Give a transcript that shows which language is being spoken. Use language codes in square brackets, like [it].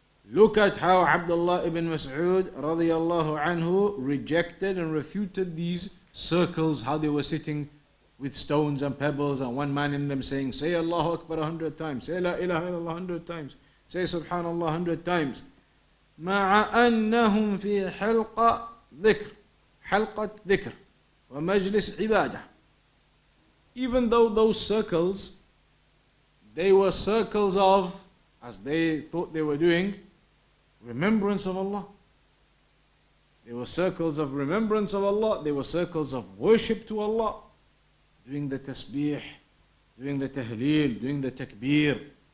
[en] Look at how Abdullah ibn Mas'ud رضي الله عنه rejected and refuted these circles, how they were sitting with stones and pebbles and one man in them saying, say Allahu Akbar 100 times, say La ilaha illallah 100 times, say Subhanallah 100 times. [ar] مع أنهم في حلقة ذكر حلقة ذكر ومجلس عبادة. [en] Even though those circles, they were circles of, as they thought they were doing, remembrance of Allah. They were circles of remembrance of Allah. They were circles of worship to Allah. Doing the tasbih, doing the tahleel, doing the takbir.